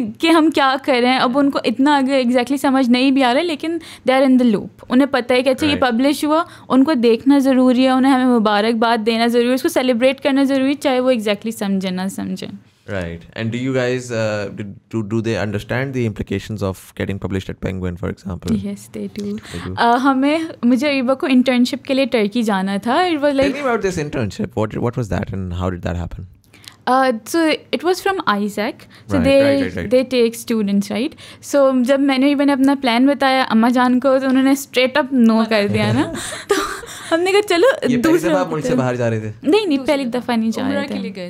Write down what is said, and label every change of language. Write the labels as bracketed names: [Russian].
[Urdu] ہم کیا کر رہے ہیں اب ان کو اتنا ایگزیکٹلی سمجھ نہیں بھی آ رہا لیکن [English] there in the loop [Urdu] انہیں پتا ہے کہ اچھا یہ پبلش ہوا ان کو دیکھنا ضروری ہے انہیں ہمیں مبارکباد دینا ضروری ہے اس کو سیلیبریٹ کرنا ضروری چاہے وہ ایگزیکٹلی سمجھے نہ سمجھے [English] Right. And do you guys, do they understand the implications of getting published at Penguin, for example? Yes, they do. [Urdu] مجھے اریبا کو انٹرنشپ کے لیے ٹرکی جانا تھا. [English] It was like, Tell me about this internship. What was that and how did that happen? So it was from ISAC. So right, they take students, right? [Urdu] So جب میں نے اریبا نے اپنا پلان بتایا اما جان کو تو انہوں نے اسٹریٹ اپ نو کر دیا نا تو ہم نے کہا چلو دوسرے دفعہ ملک سے باہر جا رہے تھے نہیں نہیں پہلی دفعہ نہیں جا رہے